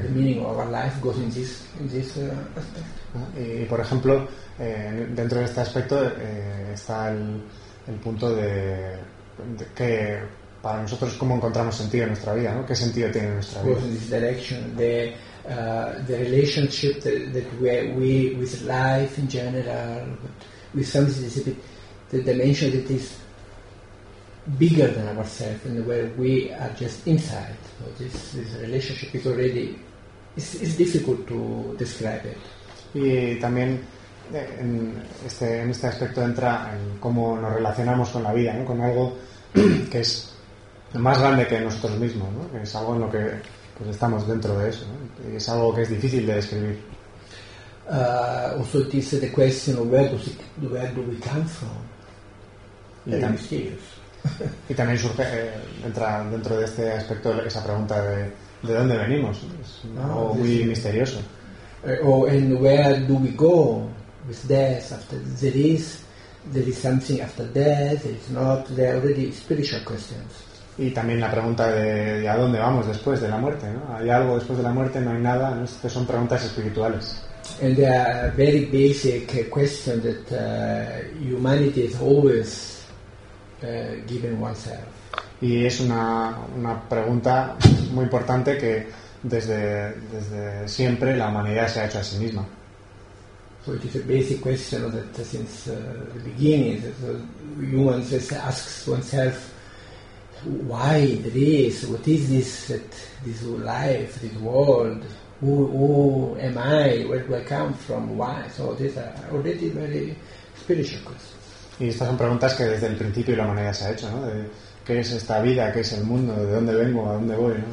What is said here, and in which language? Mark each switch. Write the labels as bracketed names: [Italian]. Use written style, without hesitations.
[English] The meaning of our life goes in this aspect. [Spanish] Y por ejemplo, dentro de este aspecto está el punto de que para nosotros cómo encontramos sentido en nuestra vida, ¿no? ¿Qué sentido tiene nuestra vida? [English] Goes in this direction, the relationship that we with life in general, with something that is a bit the dimension that is bigger than ourselves, and where we are just inside. So this relationship is already it's difficult to describe it. [Spanish] Y también en este aspecto entra en cómo nos relacionamos con la vida, ¿no? Con algo que es más grande que nosotros mismos, ¿no? Que es algo en lo que pues estamos dentro de eso, ¿no? Y es algo que es difícil de describir. [English] Also, it is the question of where do we come from. [Spanish] Y también surge entra dentro de este aspecto esa pregunta de dónde venimos, es muy misterioso. [English] And where do we go with death after there is something after death, it's not there already spiritual questions. [Spanish] Y también la pregunta de a dónde vamos después de la muerte, ¿no? ¿Hay algo después de la muerte? ¿No hay nada? ¿No? Estas son preguntas espirituales. [English] And they are very basic question that humanity has always given oneself. [Spanish] Y es una pregunta muy importante que desde siempre la humanidad se ha hecho a sí misma. [English] So it is a basic question that since the beginning that humans asks oneself why there is, what is this life, this world, who am I, where do I come from, why? So these are already very spiritual questions. [Spanish] Y estas son preguntas que desde el principio la humanidad se ha hecho, ¿no? De qué es esta vida, qué es el mundo, de dónde vengo, a dónde voy, ¿no?